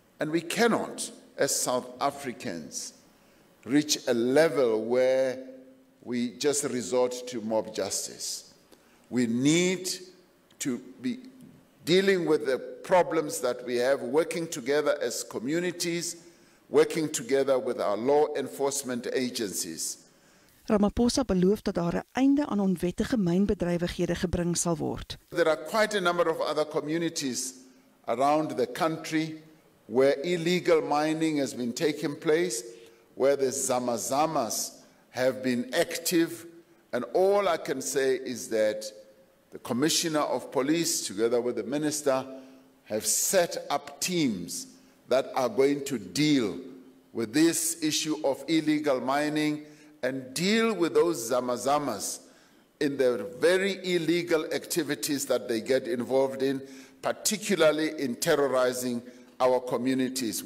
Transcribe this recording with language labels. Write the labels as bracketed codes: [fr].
[en] And we cannot, as South Africans, reach a level where we just resort to mob justice. We need to be dealing with the problems that we have, working together as communities, working together with our law enforcement agencies. [af] Ramaphosa beloof dat daar 'n einde aan onwettige mynbedrywighede gebring sal word. [en] There are quite a number of other communities around the country where illegal mining has been taking place, where the zamas have been active, and all I can say is that the Commissioner of Police together with the Minister have set up teams that are going to deal with this issue of illegal mining and deal with those zamas in the very illegal activities that they get involved in, particularly in terrorizing our communities.